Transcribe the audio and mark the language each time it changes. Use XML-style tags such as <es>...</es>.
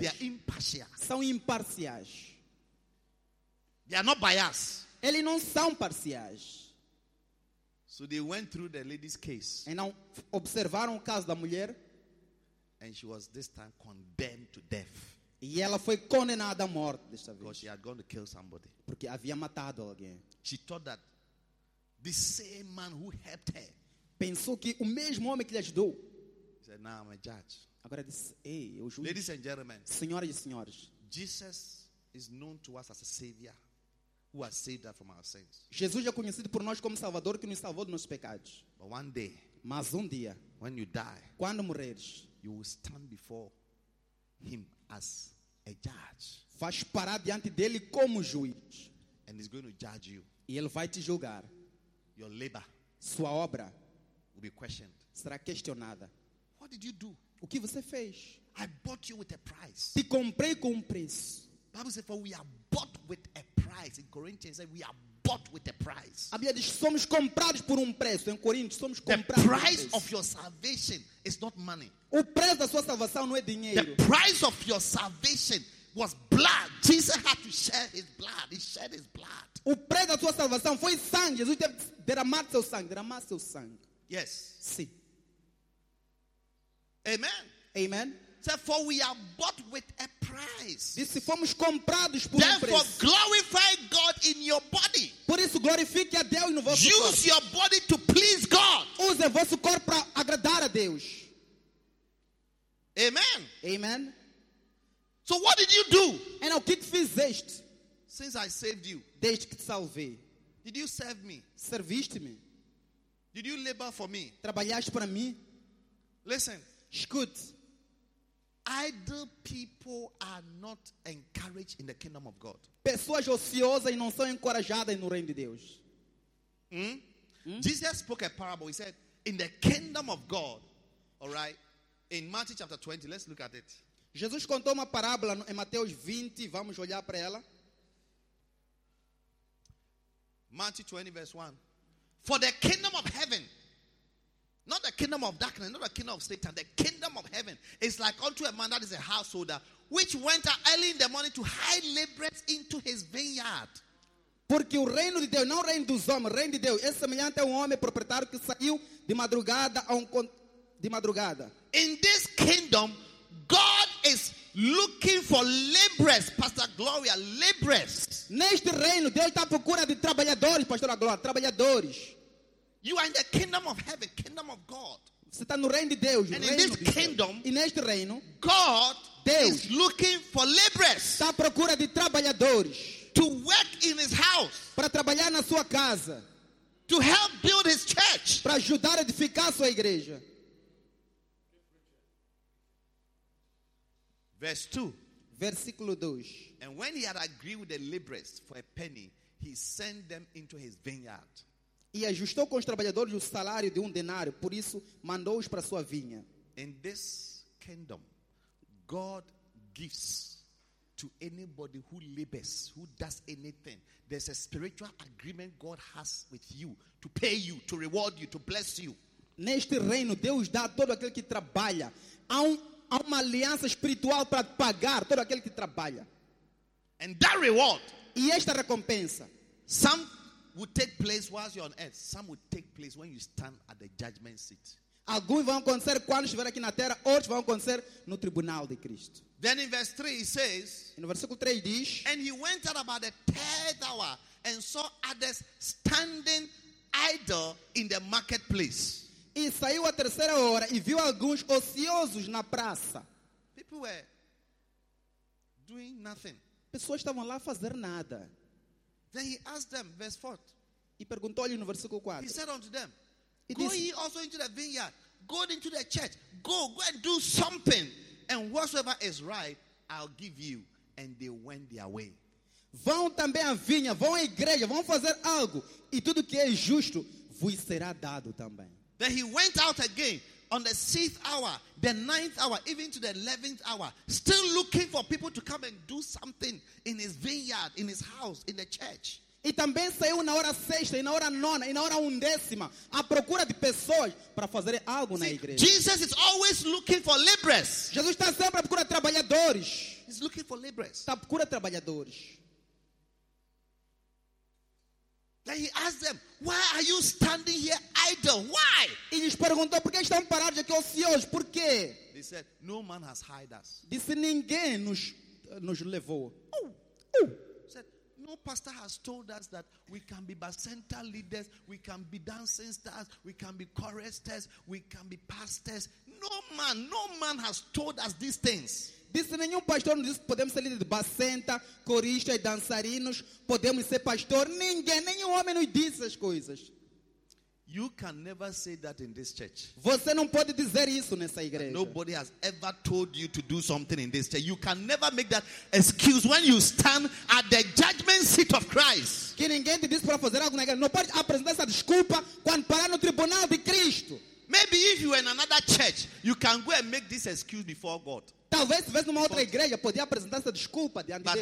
<en>They are impartial.</en> <pt>São imparciais.</pt> <en>They are not biased.</en> <pt>Eles não são parciais.</pt> <en>So they went through the lady's case.</en> <pt>E não observaram o caso da mulher.</pt> <en>And she was this time condemned to death.</en> <pt>E ela foi condenada à morte desta vez.</pt> <en>Because she had gone to kill somebody.</en> <pt>Porque havia matado alguém.</pt> <en>She thought that the same man who helped her.</en> <pt>Pensou que o mesmo homem que lhe ajudou.</pt> <en>He said, "Now I'm a judge."</en> <pt>Agora disse, ei, eu juiz.</pt> <en>Ladies and gentlemen,</en> <pt>senhoras e senhores,</pt> <en>Jesus is known to us as a savior who has saved us from our sins.</en> <pt>Jesus é conhecido por nós como Salvador que nos salvou dos nossos pecados.</pt> <en>But one day,</en> <pt>mas um dia,</pt> <en>when you die,</en> <pt>quando morreres,</pt> <en>you will stand before him as a judge.</en> <pt>Vais parar diante dele como juiz.</pt> <en>And he's going to judge you.</en> <pt>E ele vai te julgar.</pt> <en>Your labor,</en> <pt>sua obra,</pt> <en>will be questioned.</en> <pt>Será questionada.</pt> <en>What did you do?</en> <pt>O que você fez?</pt> <en>I bought you with a price.</en> <pt>Te comprei com preço.</pt> <en>Bible says, "For we are bought with a price." In Corinthians, says, "We are bought with a price."</en> <pt>A Bíblia diz, "Somos comprados por preço." Em Coríntios, somos comprados.</pt> <en>The price of your salvation is not money.</en> <pt>O preço da sua salvação não é dinheiro.</pt> <en>The price of your salvation was blood. Jesus had to shed his blood. He shed his blood.</en> <pt>O preço da sua salvação foi sangue. Jesus teve que derramar seu sangue. Derramar seu sangue.</pt> <en>Yes.</en> <pt>Sim.</pt> <en>Amen.</en> <pt>Amen.</pt> <en>Therefore, we are bought with a price.</en> <pt>Disse, fomos comprados por</pt> <en>Therefore,</en> <pt>preço.</pt> <en>Glorify God in your body.</en> <pt>Por isso, glorifique a Deus no vosso</pt> <en>Use</en> <pt>corpo.</pt> <en>Use your body to please God.</en> <pt>Use o vosso corpo para agradar a Deus.</pt> <en>Amen.</en> <pt>Amen.</pt> <en>So what did you do? And</en> <pt>o que fizeste?</pt> <en>Since I saved you.</en> <pt>Desde que te salvei.</pt> <en>Did you serve me?</en> <pt>Serviste-me.</pt> <en>Did you labor for me?</en> <pt>Trabalhaste para mim?</pt> <en>Listen.</en> <pt>Escute.</pt> <en>Idle people are not encouraged in the kingdom of God.</en> <pt>Pessoas ociosas não são encorajadas no reino de Deus.</pt> <en>Jesus spoke a parable. He said, "In the kingdom of God, all right." In Matthew chapter 20, let's look at it.</en> <pt>Jesus contou uma parábola em Mateus 20, vamos olhar para ela.</pt> <en>Matthew 20 verse 1. For the kingdom of heaven, not the kingdom of darkness, not the kingdom of Satan, the kingdom of heaven is like unto a man that is a householder, which went out early in the morning to hire laborers into his vineyard.</en> <pt>Porque o reino de Deus, não o reino dos homens, o reino de Deus, é semelhante a homem proprietário que saiu de madrugada a de madrugada.</pt> <en>In this kingdom, God is looking for laborers, Pastor Gloria, laborers.</en> <pt>Neste reino, Deus está à procura de trabalhadores, Pastor Gloria, trabalhadores.</pt> <en>You are in the kingdom of heaven, kingdom of God.</en> <pt>Você está no reino de Deus.</pt> <en>And</en> <pt>reino</pt> <en>in this kingdom,</en> <pt>e neste reino,</pt> <en>God</en> <pt>Deus</pt> <en>is looking for laborers.</en> <pt>Está à procura de trabalhadores.</pt> <en>To work in his house.</en> <pt>Para trabalhar na sua casa.</pt> <en>To help build his church.</en> <pt>Para ajudar a edificar a sua igreja.</pt> <en>Verse 2.</en> <pt>Versículo 2.</pt> <en>And when he had agreed with the laborers for a penny, he sent them into his vineyard.</en> <pt>E ajustou com os trabalhadores o salário de um denário, por isso mandou-os para sua vinha.</pt> <en>In this kingdom, God gives to anybody who labors, who does anything. There's a spiritual agreement God has with you to pay you, to reward you, to bless you.</en> <pt>Neste reino, Deus dá a todo aquele que trabalha. Há uma aliança espiritual para pagar todo aquele que trabalha.</pt> <en>And that reward,</en> <pt>e esta recompensa,</pt> <en>some will take place whilst you're on earth. Some will take place when you stand at the judgment seat.</en> <pt>Alguns vão acontecer quando estiver aqui na terra, outros vão acontecer no tribunal de Cristo.</pt> <en>Then in verse 3 he says,</en> <pt>no versículo 3 diz,</pt> <en>and he went out about the third hour and saw others standing idle in the marketplace.</en> <pt>E saiu à terceira hora e viu alguns ociosos na praça.</pt> <en>People were doing nothing.</en> <pt>Pessoas estavam lá a fazer nada.</pt> <en>Then he asked them, verse 4.</en> <pt>E perguntou-lhe no versículo 4.</pt> <en>He said unto them, go ye also into the vineyard, go into the church, go and do something, and whatsoever is right, I'll give you. And they went their way.</en> <pt>Vão também à vinha, vão à igreja, vão fazer algo, e tudo que é justo vos será dado também.</pt> <en>Then he went out again on the sixth hour, the ninth hour, even to the 11th hour, still looking for people to come and do something in his vineyard, in his house, in the church.</en> <pt>E também saiu na hora sexta, e na hora nona, e na hora undécima, à procura de pessoas para fazer algo na igreja.</pt> <en>Jesus is always looking for laborers.</en> <pt>Jesus está sempre à procura de trabalhadores.</pt> <en>He's looking for laborers.</en> <pt>Está à procura de trabalhadores.</pt> <en>Then he asked them, why are you standing here idle? Why?</en> <pt>E lhes perguntou, por que estão parados aqui ociosos? Por quê?</pt> <en>They said, no man has hired us.</en> <pt>Disse, ninguém nos levou.</pt> <en>Oh. Said, no pastor has told us that we can be bacenta leaders, we can be dancing stars, we can be choristers, we can be pastors. No man has told us these things.</en> <pt>Disse, nenhum pastor nos disse que podemos ser líderes de bacenta, coristas e dançarinos, podemos ser pastor. Ninguém, nenhum homem nos disse as coisas.</pt> <en>You can never say that in this church.</en> <pt>Você não pode dizer isso nessa igreja.</pt> <en>And nobody has ever told you to do something in this church. You can never make that excuse when you stand at the judgment seat of Christ.</en> <pt>Que ninguém te disse para fazer algo na igreja. Não pode apresentar essa desculpa quando parar no tribunal de Cristo.</pt> <en>Maybe if you are in another church, you can go and make this excuse before God.</en> <pt>Talvez se estivesse numa outra igreja, podia apresentar essa desculpa diante de Deus.</pt>